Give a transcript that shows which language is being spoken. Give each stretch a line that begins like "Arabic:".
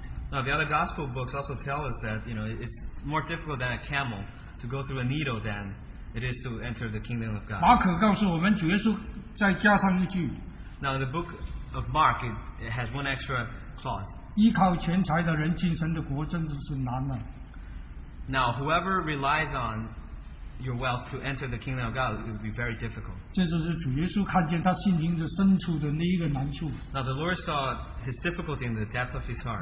English: now the other gospel books also tell us that, you know, it's more difficult than a camel to go through a needle than it is to enter the kingdom of God.
Chinese: 马可告诉我们主耶稣再加上一句,
English: now in the book of Mark, it has one extra clause.
Chinese: 依靠钱财的人进神的国真的是难了。
English: Now, whoever relies on your wealth to enter the kingdom of God, it would be very difficult. Now, the Lord saw his difficulty in the depth of his heart.